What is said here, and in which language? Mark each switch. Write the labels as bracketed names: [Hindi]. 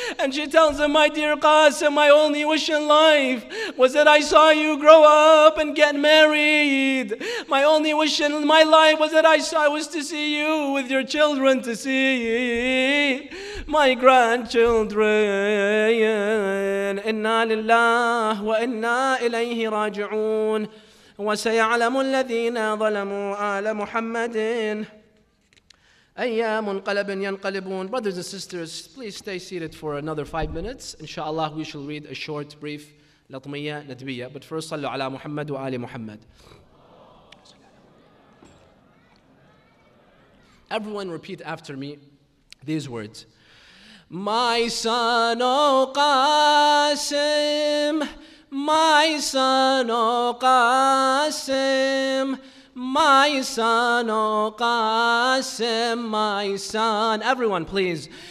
[English] And she tells him, my dear Qasim, my only wish in life was that I saw you grow up and get married. My only wish in my life was that I saw, was to see you with your children, to see my grandchildren. [Arabic] Inna lillah wa inna ilayhi raji'un. وسيعلم الذين ظلموا آل محمد أيام قلب ينقلبون. [English] Brothers and sisters, please stay seated for another 5 minutes. Inshallah, we shall read a short, brief لطمية ندبية. But first, [Arabic] صلوا على محمد وآل محمد. [English] Everyone repeat after me these words. My son, O Qasim, my son, O Qasim, My son, O Qasim, my son. Everyone, please.